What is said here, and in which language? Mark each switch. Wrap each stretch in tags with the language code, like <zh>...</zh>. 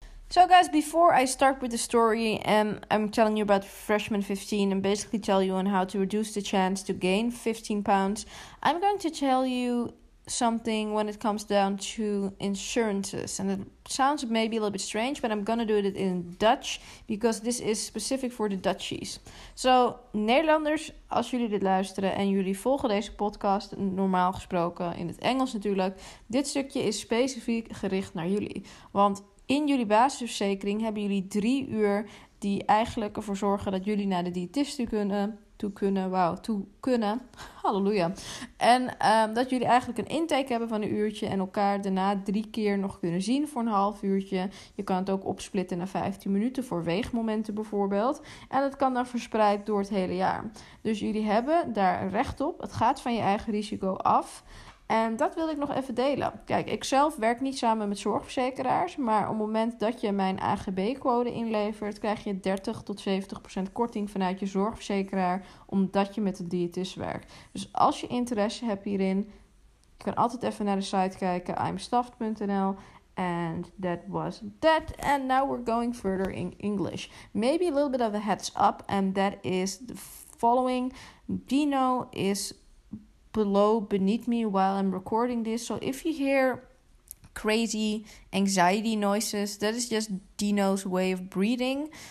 <en>So guys, before I start with the story and I'm telling you about freshman 15 and basically tell you on how to reduce the chance to gain 15 pounds, I'm going to tell you something when it comes down to insurances. And it sounds maybe a little bit strange, but I'm gonna do it in Dutch because this is specific for the Dutchies.</en> <nl>So Nederlanders, als jullie dit luisteren en jullie volgen deze podcast normaal gesproken in het Engels natuurlijk, dit stukje is specifiek gericht naar jullie. Want in jullie basisverzekering hebben jullie 3 uur die eigenlijk ervoor zorgen dat jullie naar de diëtist toe kunnen. Halleluja. En dat jullie eigenlijk een intake hebben van 1 uurtje en elkaar daarna 3 keer nog kunnen zien voor 1.5 uurtje. Je kan het ook opsplitten naar 15 minuten voor weegmomenten bijvoorbeeld. En het kan dan verspreid door het hele jaar. Dus jullie hebben daar recht op. Het gaat van je eigen risico af. En dat wil ik nog even delen. Kijk, ik zelf werk niet samen met zorgverzekeraars, maar op het moment dat je mijn AGB-code inlevert, krijg je 30-70% korting vanuit je zorgverzekeraar, omdat je met een diëtist werkt. Dus als je interesse hebt hierin, je kan altijd even naar de site kijken, imstaffed.nl.</nl> <en>And that was that. And now we're going further in English. Maybe a little bit of a heads up, and that is the following. Dino is beneath me while I'm recording this. So if you hear crazy anxiety noises, that is just Dino's way of breathing.</en>